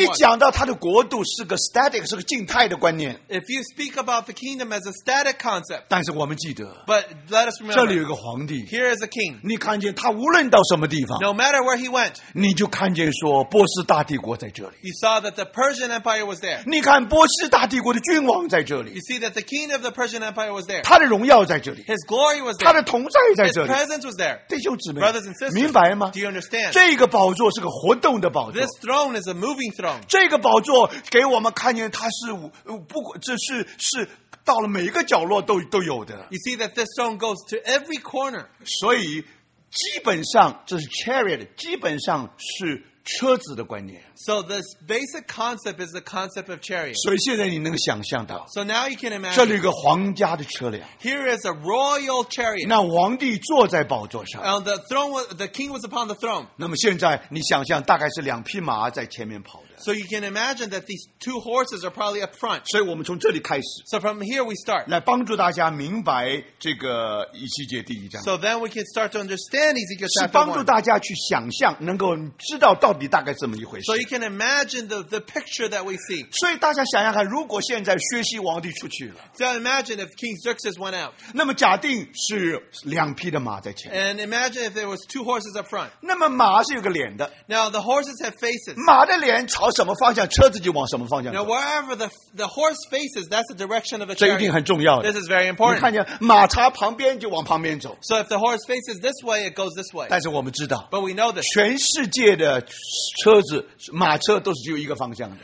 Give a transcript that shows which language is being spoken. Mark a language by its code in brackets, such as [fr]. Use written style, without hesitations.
[zh] 你讲到他的国度是个 static, 是个静态的观念。 [en] If you speak about the kingdom as a static concept. [zh] 但是我们记得。 [en] But let us remember. [zh] 这里有个皇帝。 [en] Here is a king. [zh] 你看见他无论到什么地方。 [en] No matter where he went. [zh] 你就看见说波斯大帝国在这里。 [en] You saw that the Persian Empire was there. [zh] 你看波斯大帝国的君王在这里。 [en] You see that the king of the Persian Empire was there. [zh] 他的荣耀在这里 [en] His glory was there. [zh] 他的同在在这里 [en] His presence was there. [zh] 弟兄姊妹 [en] Brothers and sisters, [zh] 明白吗 [en] Do you understand? [zh] 这个宝座是个活动的宝座 [en] This throne is a moving throne. [zh] 这个宝座给我们看见它是不这是到了每一个角落都有的 [en] You see that this throne goes to every corner. [zh] 所以基本上这是 chariot, 基本上是车子的观念 [en] So this basic concept is the concept of chariot. [zh] 所以现在你能想象到 [en] So now you can imagine. [zh] 这里有个皇家的车辆 [en] Here is a royal chariot. [zh] 那皇帝坐在宝座上 [en] And the king was upon the throne. [zh] 那么现在你想象大概是两匹马在前面跑的 [en] So you can imagine that these two horses are probably up front. [zh] 所以我们从这里开始 [en] So from here we start. [zh] 来帮助大家明白这个以西结第一章 [en] So then we can start to understand Ezekiel chapter 1. [zh] 是帮助大家去想象能够知道到底大概这么一回事。 [en] So you can imagine the picture that we see. [zh] 所以大家想想看，如果现在薛西王帝出去了。 [en] So imagine if King Xerxes went out. [zh] 那么假定是两匹的马在前。 [en] And imagine if there was two horses up front. [zh] 那么马是有个脸的。 [en] Now the horses have faces. [zh] 马的脸朝什么方向，车子就往什么方向走。 [en] Now wherever the horse faces, that's the direction of the [zh] chariot. 这一定很重要的。 [en] This is very important. [zh] 你看见马插旁边就往旁边走。 [en] So if the horse faces this way, it goes this way. [zh] 但是我们知道。 [en] But we know this. [zh] 全世界的车子马车都是只有一个方向的